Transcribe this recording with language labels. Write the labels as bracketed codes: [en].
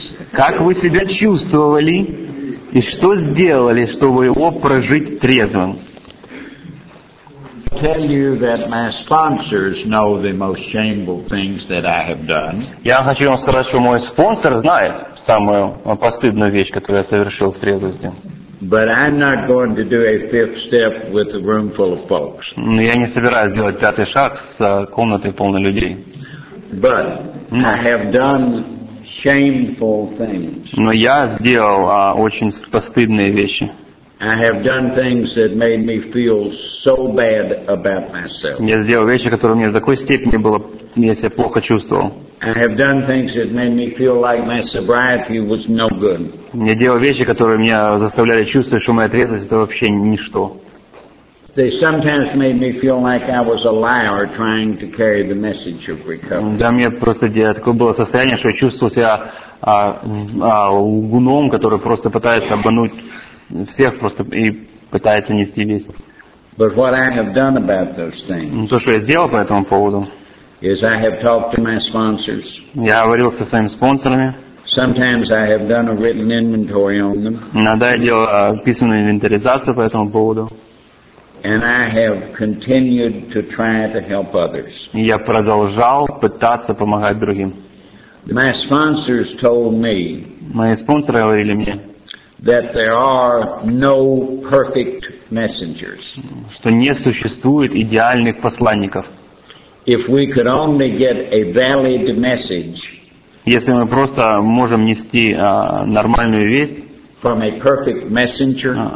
[ru] Как вы себя чувствовали и что сделали, чтобы его прожить трезвым? [en] Tell you that my sponsors know the most shameful things that I have done. [ru] Я хочу вам сказать, что мой спонсор знает самую постыдную вещь, которую я совершил в трезвости. [en] But I'm not going to do a fifth step with a room full of folks. [ru] Но я не собираюсь делать пятый шаг с комнатой полной людей. [en] But I have done shameful things. [ru] Но я сделал очень постыдные вещи. [en] I have done things that made me feel so bad about myself. [ru] Я сделал вещи, которые мне в такой степени было, я себя плохо чувствовал. [en] I have done things that made me feel like my sobriety was no good. [ru] Я делал вещи, которые меня заставляли чувствовать, что моя трезвость это вообще ничто. [en] They sometimes made me feel like I was a liar trying to carry the message of recovery. [ru] Да, мне просто такое было состояние, что я чувствовал себя лгуном, который просто пытается обмануть всех просто и пытается нести весть. [en] But what I have done about those things? [ru] Ну то, что я сделал по этому поводу. [en] Is I have talked to my sponsors. [ru] Я говорил со своими спонсорами. [en] Sometimes I have done a written inventory on them. [ru] Иногда я делал письменную инвентаризацию по этому поводу. [en] And I have continued to try to help others. [ru] И я продолжал пытаться помогать другим. [en] My sponsors told me. [ru] Мои спонсоры говорили мне. [en] That there are no perfect messengers. [ru] Что не существует идеальных посланников. [en] If we could only get a valid message, [ru] если мы просто можем нести нормальную весть [en] from a perfect messenger,